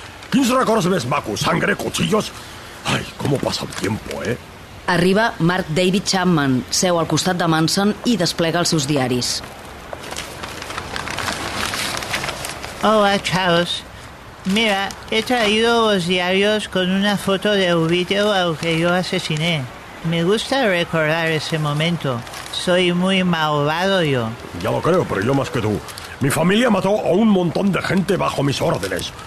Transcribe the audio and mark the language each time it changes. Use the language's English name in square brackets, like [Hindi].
[Catalan] Quins records més macos, [Spanish] sangre, cuchillos. Ay, cómo pasa el tiempo, eh? [Catalan] Arriba Mark David Chapman, seu al costat de Manson i desplega els seus diaris. [Spanish] Hola, Charles. Mira, he traído los diarios con una foto de Ovidio al que yo asesiné. Me gusta recordar ese momento. Soy muy malvado yo. Ya lo creo, pero yo más que tú. Mi familia mató a un montón de gente bajo mis órdenes.